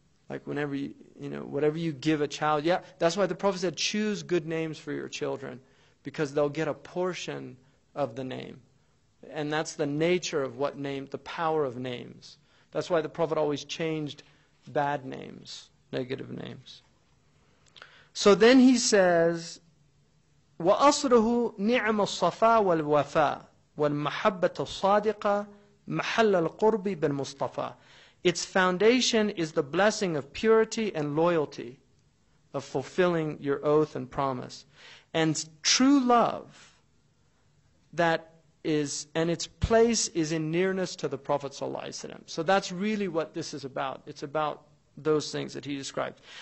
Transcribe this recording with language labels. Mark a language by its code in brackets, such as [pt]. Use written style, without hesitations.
[en] Like whenever you, you know, whatever you give a child. Yeah, that's why the Prophet said, choose good names for your children, because they'll get a portion of the name. And that's the nature of what name, the power of names. That's why the Prophet always changed bad names, negative names. So then he says, [ar] وَأَصْرُهُ نِعْمَ الصَّفَا وَالْوَفَا وَالْمَحَبَّةُ الصَّادِقَةُ مَحَلَّ الْقُرْبِ بِالْمُصْطَفَى. [en] Its foundation is the blessing of purity and loyalty, of fulfilling your oath and promise. And true love that is, and its place is in nearness to the Prophet Sallallahu Alaihi Wasallam. So that's really what this is about. It's about those things that he described.